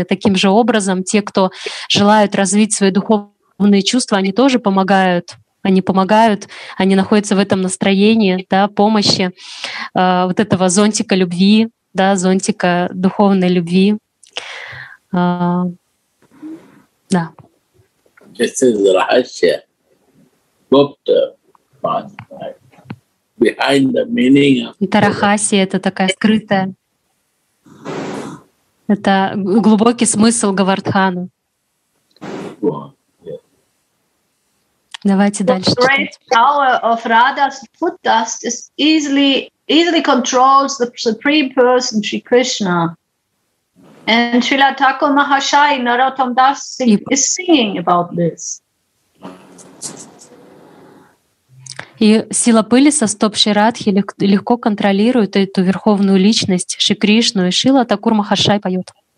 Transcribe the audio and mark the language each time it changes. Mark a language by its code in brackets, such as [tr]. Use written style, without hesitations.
[ru] И таким же образом те, кто желают развить свои духовные чувства, они тоже помогают. Они помогают, они находятся в этом настроении, да, помощи вот этого зонтика любви, да, зонтика духовной любви. Да. [en] This is Rahasya Gupta pastime behind the meaning of. [ru] Это Рахасия, это такая скрытая. Это глубокий смысл Гавардхана. Давайте дальше. [en] The great power of Radha's foot dust is easily controls the Supreme Person Sri Krishna. And Srila Thakur Mahashaya Narottam Das is singing about this. [ru] И сила пыли со стоп Шри Радхи легко контролирует эту верховную личность Шри Кришну, и Шрила Такур Махашай поет.